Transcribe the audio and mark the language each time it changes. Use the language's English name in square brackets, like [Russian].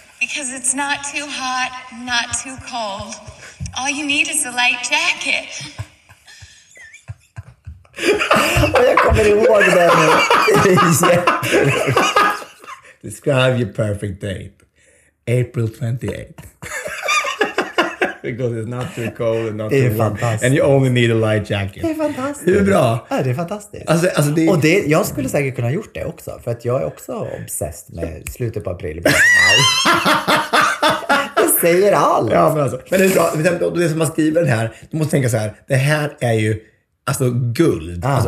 [English] Because it's not too hot, not too cold. All you need is a light jacket. [Swedish] Och jag kommer ihåg det nu. [English] Describe your perfect date. April 28th. Because it's not too cold and not too warm. [Swedish] Fantastiskt. [English] And you only need a light jacket. [Swedish] Det är fantastiskt. Hur bra? Ja, det är fantastiskt. Alltså det är... Och det, jag skulle säkert kunna gjort det också. För att jag är också obsessed med slutet på april. Jag säger allt. Ja, men alltså. Men det är bra. Det som man skriver den här. Du måste tänka så här. Det här är ju... Alltså guld.